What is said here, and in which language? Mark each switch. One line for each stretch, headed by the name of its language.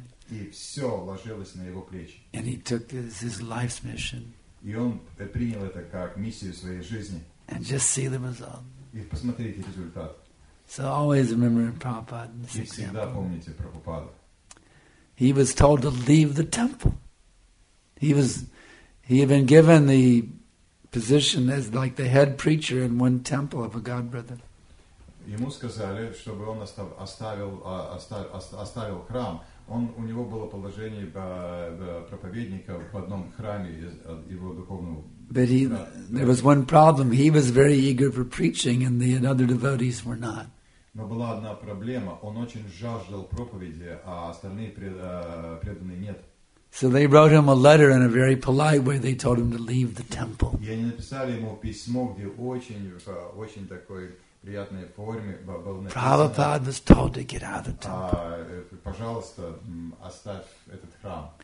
Russian: И все ложилось на его плечи.
English: And he took this, his life's mission.
Russian: И он принял это как миссию своей жизни.
English: And just see the result.
Russian: И посмотрите результат.
English: So always remember Prabhupada.
Russian: И всегда помните Прабхупаду.
English: He was told to leave the temple. He had been given the position as like the head preacher in one temple of a god brother.
Russian: Ему сказали, чтобы он оставил храм. Он у него было положение проповедника в одном храме его духовного.
English: But there was one problem. He was very eager for preaching, and the other devotees were not.
Russian: Но была одна проблема. Он очень жаждал проповеди, а остальные преданные нет.
English: So they wrote him a letter in a very polite way. They told him to leave the temple.
Russian: И они написали ему письмо, где очень, очень такой приятной форме было написано.
English: Prabhupada was told to get out of the temple.
Russian: Пожалуйста, оставь этот храм.